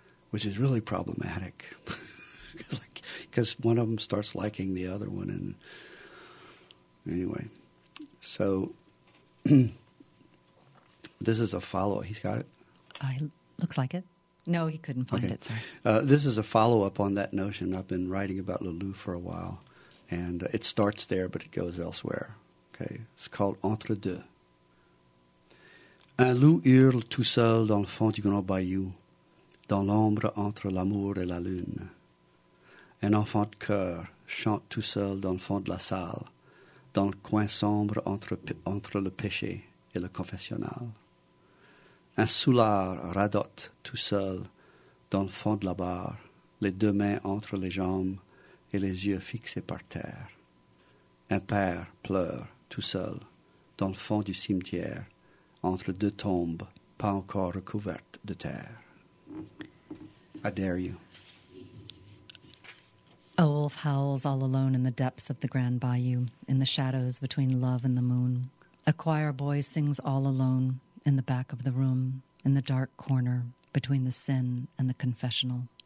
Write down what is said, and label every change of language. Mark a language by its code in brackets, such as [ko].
[en] Which is really problematic, because one of them starts liking the other one, and anyway, so this is a follow-up. He's got it. Looks like it. No, he couldn't find it. Sorry. This is a follow-up on that notion. I've been writing about Lulu for a while, and it starts there, but it goes elsewhere. Okay, it's called Entre deux. [fr] Un loup hurle tout seul dans le fond du grand bayou. Dans l'ombre entre l'amour et la lune. Un enfant de cœur chante tout seul dans le fond de la salle, dans le coin sombre entre le péché et le confessionnal. Un soulard radote tout seul dans le fond de la barre, les deux mains entre les jambes et les yeux fixés par terre. Un père pleure tout seul dans le fond du cimetière, entre deux tombes pas encore recouvertes de terre. [en] I dare you. A wolf howls all alone in the depths of the Grand Bayou, in the shadows between love and the moon. A choir boy sings all alone in the back of the room, in the dark corner between the sin and the confessional.